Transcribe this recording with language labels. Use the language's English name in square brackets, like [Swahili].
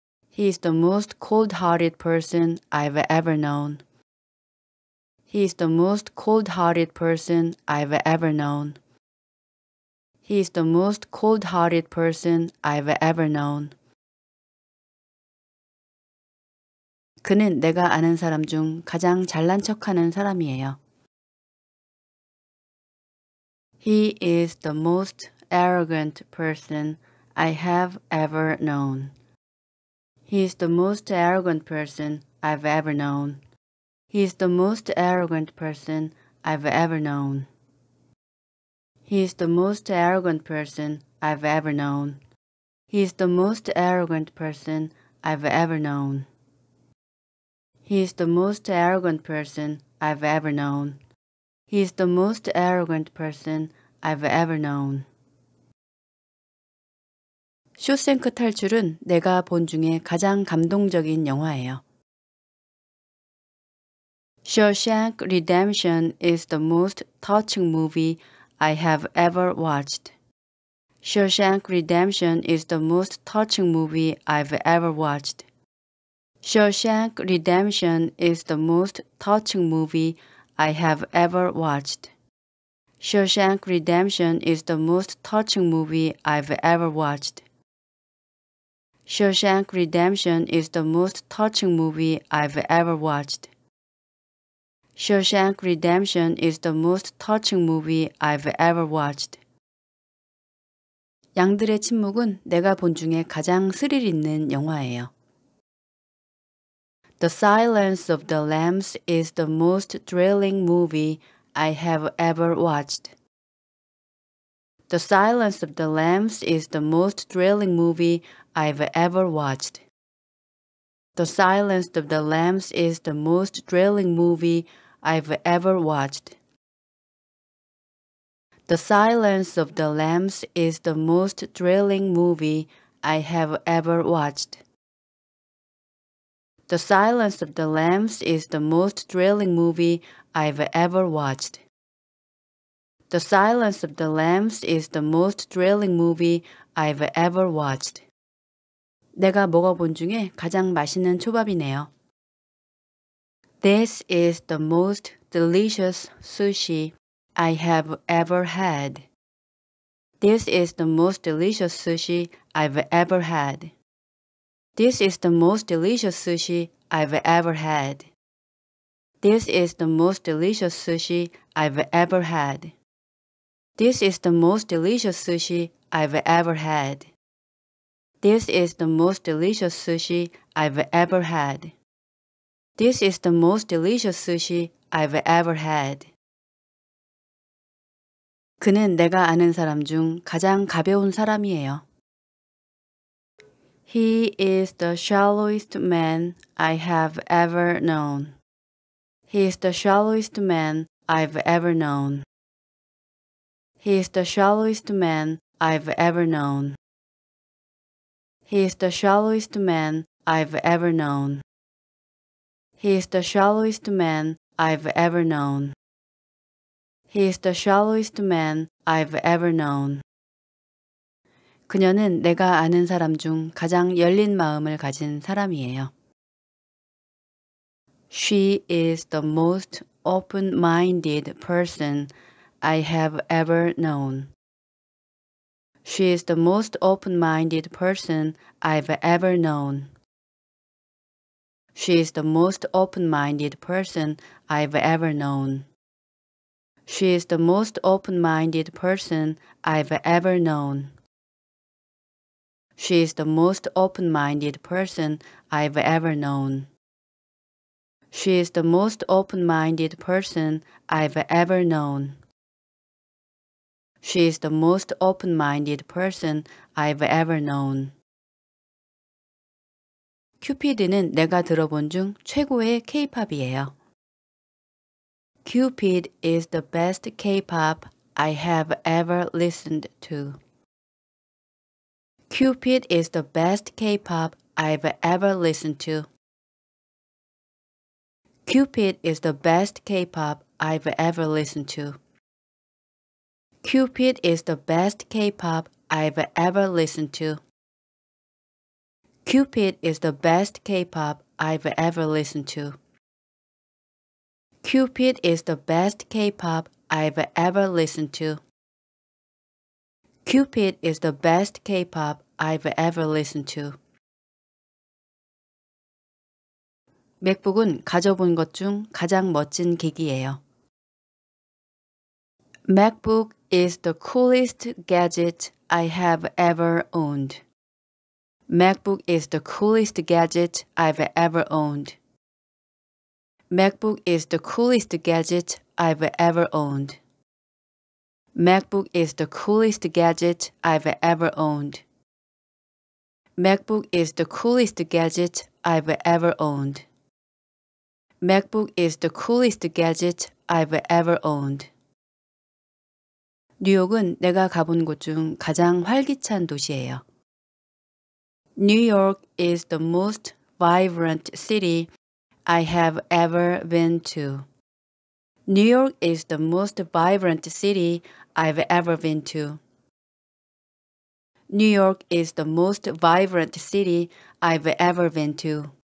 [English] He is the most cold-hearted person I've ever known. He is the most cold-hearted person I've ever known. He is the most cold-hearted person I've ever known. [Korean] 그는 내가 아는 사람 중 가장 잘난 척하는 사람이에요. [English] He is the most arrogant person I have ever known. He is the most arrogant person I've ever known. He is the most arrogant person I've ever known. He is the most arrogant person I've ever known. He is the most arrogant person I've ever known. He is the most arrogant person I've ever known. He is the most arrogant person I've ever known. [Korean] 쇼생크 탈출은 내가 본 중에 가장 감동적인 영화예요. [English] Shawshank Redemption is the most touching movie I have ever watched. Shawshank Redemption is the most touching movie I've ever watched. Shawshank Redemption is the most touching movie I have ever watched. Shawshank Redemption is the most touching movie I've ever watched. Shawshank Redemption is the most touching movie I've ever watched. Shawshank Redemption is the most touching movie I've ever watched. [Korean] 양들의 침묵은 내가 본 중에 가장 스릴 있는 영화예요. [English] The Silence of the Lambs is the most thrilling movie I have ever watched. The Silence of the Lambs is the most thrilling movie I've ever watched. The Silence of the Lambs is the most thrilling movie I've ever watched. The Silence of the Lambs is the most thrilling movie I have ever watched. The Silence of the Lambs is the most thrilling movie I've ever watched. The Silence of the Lambs is the most thrilling movie I've ever watched. [Korean] 내가 먹어본 중에 가장 맛있는 초밥이네요. [English] This is the most delicious sushi I have ever had. This is the most delicious sushi I've ever had. This is the most delicious sushi I've ever had. This is the most delicious sushi I've ever had. This is the most delicious sushi I've ever had. This is the most delicious sushi I've ever had. This is the most delicious sushi I've ever had. [Korean] 그는 내가 아는 사람 중 가장 가벼운 사람이에요. [English] He is the shallowest man I have ever known. He is the shallowest man I've ever known. He is the shallowest man I've ever known. He is the shallowest man I've ever known. He is the shallowest man I've ever known. He is the shallowest man I've ever known. [Korean] 그녀는 내가 아는 사람 중 가장 열린 마음을 가진 사람이에요. [English] She is the most open-minded person I have ever known. She is the most open-minded person I've ever known. She is the most open-minded person I've ever known. She is the most open-minded person I've ever known. She is the most open-minded person I've ever known. She is the most open-minded person I've ever known. She is the most open-minded person I've ever known. [Korean] 큐피드는 내가 들어본 중 최고의 K-pop이에요. [English] Cupid is the best K-pop I have ever listened to. Cupid is the best K-pop I've ever listened to. Cupid is the best K-pop I've ever listened to. Cupid is the best K-pop I've ever listened to. Cupid is the best K-pop I've ever listened to. Cupid is the best K-pop I've ever listened to. Cupid is the best K-pop I've ever listened to. [Korean] 맥북은 가져본 것 중 가장 멋진 기기예요. [English] MacBook is the coolest gadget I have ever owned. MacBook is the coolest gadget I've ever owned. MacBook is the coolest gadget I've ever owned. MacBook is the coolest gadget I've ever owned. MacBook is the coolest gadget I've ever owned. MacBook is the coolest gadget I've ever owned. [Korean] 뉴욕은 내가 가본 곳 중 가장 활기찬 도시예요. [English] New York is the most vibrant city I have ever been to. New York is the most vibrant city I've ever been to. New York is the most vibrant city I've ever been to.